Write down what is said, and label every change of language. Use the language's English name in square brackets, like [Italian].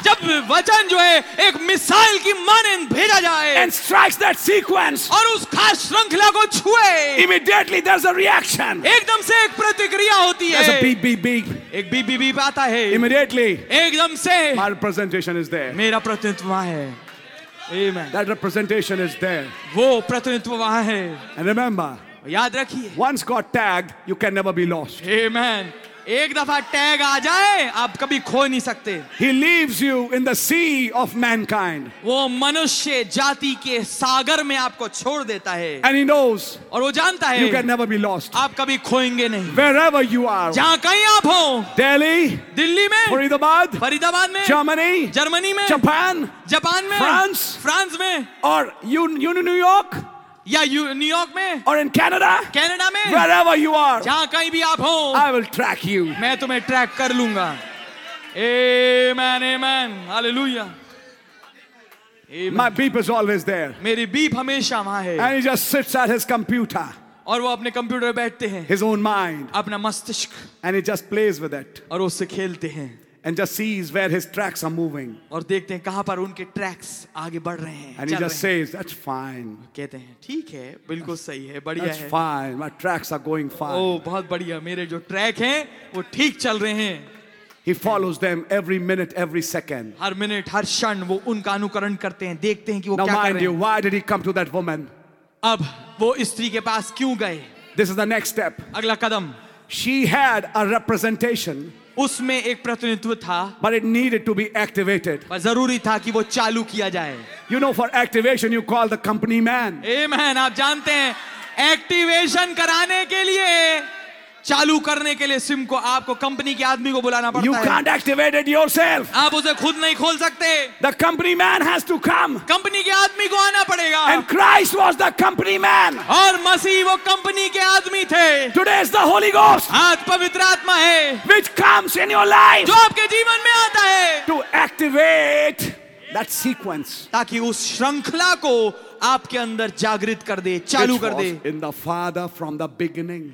[Hindi] जब वचन जो है एक मिसाइल की मानिंद भेजा जाए. [English] And strikes that sequence, [Hindi] और उस खास श्रृंखला को छुए. [English] Immediately there's a reaction, [Hindi] एकदम से एक प्रतिक्रिया होती [English] there's [Hindi] है. [English] A beep, beep, beep. [Hindi] एक बीप बीप बीप आता है. [English] Immediately, [Hindi] एकदम से [English] my representation is there. [Hindi] मेरा प्रतिनिधित्व वहां है. [English] Amen. That representation is there. [Hindi] वो प्रतिनिधित्व वहां है. [English] And remember, [Hindi] याद रखिए, [English] once got tagged, you can never be lost. Amen. [Hindi] एक दफा टैग आ जाए आप कभी खो नहीं सकते. [English] He leaves you in the sea of mankind. [Hindi] वो मनुष्य जाति के सागर में आपको छोड़ देता है. [English] And he knows. [Hindi] और वो जानता है. [English] You can never be lost. [Hindi] आप कभी खोएंगे नहीं. [English] Wherever you are. [Hindi] जहाँ कहीं आप हो. [English] Delhi. [Hindi] दिल्ली में. फरीदाबाद. फरीदाबाद में. [English] Germany. [Hindi] जर्मनी में. [English] Japan. [Hindi] जापान में. [English] France. [Hindi] फ्रांस में. और New York. [English] Yeah, you New York mein or in Canada? [Hindi] Canada mein. [English] Wherever you are. [Hindi] Jahan kahin bhi aap ho. [English] I will track you. [Hindi] Main tumhe track kar lunga. Amen, amen. Hallelujah. [English] Amen. My beep is always there. [Hindi] Meri beep hamesha wahan hai. [English] And he just sits at his computer. [Hindi] Aur wo apne computer pe baithte hain. [English] His own mind. [Hindi] Apna mastishk. [English] And he just plays with it. [Hindi] Aur usse khelte hain. [English] And just sees where his tracks are moving. [Hindi] और देखते हैं कहाँ पर उनके tracks आगे बढ़ रहे हैं. [English] And he just says, "That's fine." [Hindi] कहते हैं, ठीक है, बिल्कुल सही है, बढ़िया है. [English] That's fine. My tracks are going fine. [Hindi] Oh, बहुत बढ़िया. मेरे जो ट्रैक हैं, वो ठीक चल रहे हैं. [English] He follows them every minute, every second. [Hindi] हर minute, हर क्षण, वो उनका अनुकरण करते हैं, देखते हैं कि वो क्या कर [English] Now mind you, why did he come to that woman? [Hindi] अब वो स्त्री के पास क्यों गए? [English] This is the next step. [Hindi] अगला कदम. [English] She had a representation. [Hindi] उसमें एक प्रतिनिधित्व था. [English] But it needed to be activated. [Hindi] पर जरूरी था कि वो चालू किया जाए. [English] You know, for activation, you call the company man. Amen. [Hindi] आप जानते हैं, एक्टिवेशन कराने के लिए, चालू करने के लिए सिम को आपको कंपनी के आदमी को बुलाना पड़ता [English] है. You can't activate it yourself. [Hindi] आप उसे खुद नहीं खोल सकते. [English] The company man has to come. [Hindi] Company के आदमी को आना पड़ेगा. [English] And Christ was the company man. [Hindi] और मसीह वो कंपनी के आदमी थे. [English] Today is the Holy Ghost. [Hindi] आज पवित्र आत्मा है. [English] Which comes in your life. [Hindi] जो आपके जीवन में आता है. [English] To activate that sequence. [Hindi] ताकि उस श्रृंखला को आपके अंदर जागृत कर दे, चालू कर दे. [English] In the Father from the beginning.